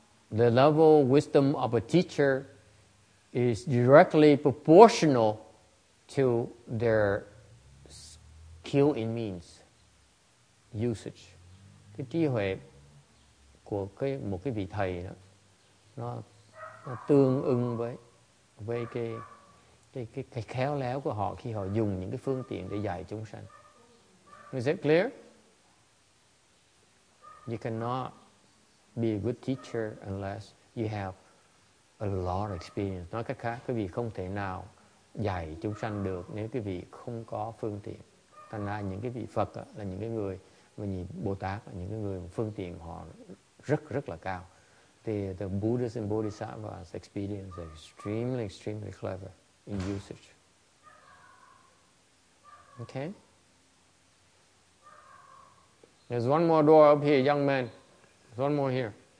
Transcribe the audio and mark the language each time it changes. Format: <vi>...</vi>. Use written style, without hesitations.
<en>The level of wisdom of a teacher is directly proportional to their skill in means usage.</en> <vi>Cái trí huệ của cái một cái vị thầy đó nó tương ứng với cái khéo léo của họ khi họ dùng những cái phương tiện để dạy chúng sanh.</vi> <en>Is that clear? You cannot be a good teacher unless you have a lot of experience.</en> <vi>Nói cách khác, quý vị không thể nào dạy chúng sanh được nếu quý vị không có phương tiện. Thành ra những cái vị Phật là những cái người mà nhìn Bồ Tát là những cái người phương tiện họ rất rất là cao.</vi> <en>The Buddhas and Bodhisattvas experience are extremely, extremely clever in usage. Okay? There's one more door up here, young man. There's one more here.</en>